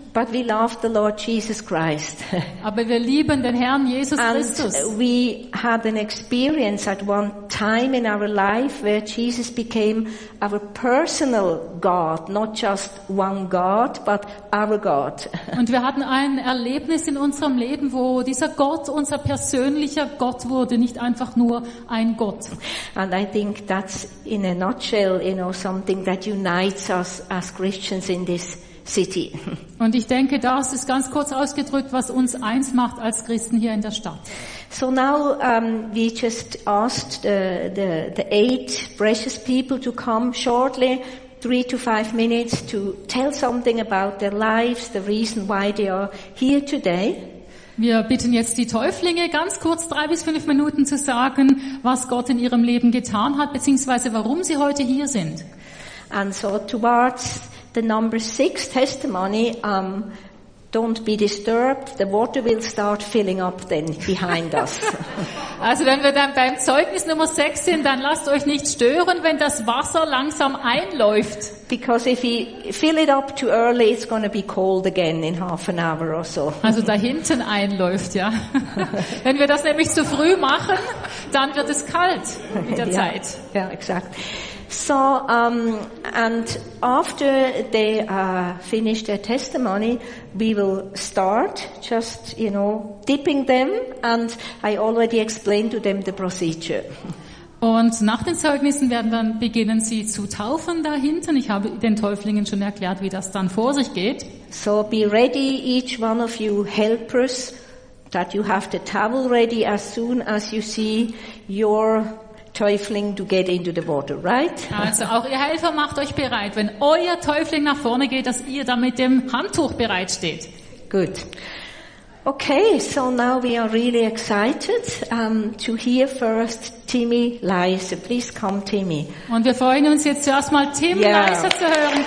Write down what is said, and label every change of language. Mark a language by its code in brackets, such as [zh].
[en] But we love the Lord Jesus Christ. [de] Aber wir lieben den Herrn Jesus Christus. [en] And we had an experience at one time in our life where Jesus became our personal God, not just one God, but our God. [de] Und wir hatten ein Erlebnis in unserem Leben, wo dieser Gott unser persönlicher Gott wurde, nicht einfach nur ein Gott. [en] And I think that's in a nutshell, you know, something that unites us as Christians in this city. [de] Und ich denke, das ist ganz kurz ausgedrückt, was uns eins macht als Christen hier in der Stadt. [en] So now we just asked the eight precious people to come shortly, 3 to 5 minutes, to tell something about their lives, the reason why they are here today. [de] Wir bitten jetzt die Täuflinge, ganz kurz 3 bis 5 Minuten zu sagen, was Gott in ihrem Leben getan hat, beziehungsweise warum sie heute hier sind. [en] And so towards the number 6 testimony, Don't be disturbed. The water will start filling up then behind us. [de] Also, wenn wir dann beim Zeugnis Nummer 6 sind, dann lasst euch nicht stören, wenn das Wasser langsam einläuft. [en] Because if you fill it up too early, it's going to be cold again in half an hour or so. [de] Also da hinten einläuft, ja. Wenn wir das nämlich zu früh machen, dann wird es kalt mit der Zeit. Ja, yeah, exakt. [en] So, and after they finish their testimony, we will start just, you know, dipping them, and I already explained to them the procedure. [de] Und nach den Zeugnissen werden dann beginnen sie zu taufen da hinten. Ich habe den Täuflingen schon erklärt, wie das dann vor sich geht. [en] So be ready, each one of you helpers, that you have the towel ready as soon as you see your Täufling to get into the water, right? [de] Also auch ihr Helfer macht euch bereit, wenn euer Täufling nach vorne geht, dass ihr da mit dem Handtuch bereitsteht. [en] Good. Okay, so now we are really excited to hear first Timmy Leiser. Please come, Timmy. [de] Und wir freuen uns jetzt zuerst mal Tim Leiser zu hören.